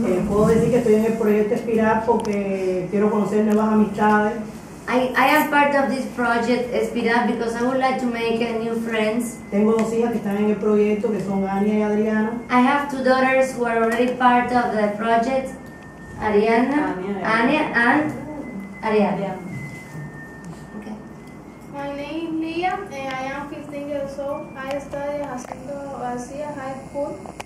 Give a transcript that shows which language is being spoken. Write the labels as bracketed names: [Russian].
[Spanish] Puedo decir que estoy en el proyecto Espiral porque quiero conocer nuevas amistades. [English] I am part of this project, Espiral, because I would like to make new friends. [Spanish] Tengo dos hijas que están en el proyecto, que son Ania y Adriana. [English] I have two daughters who are already part of the project, Ariana, Ania, and Ariana. Yeah. My name is Lia, and I am 15 years old. I study at Asia High School.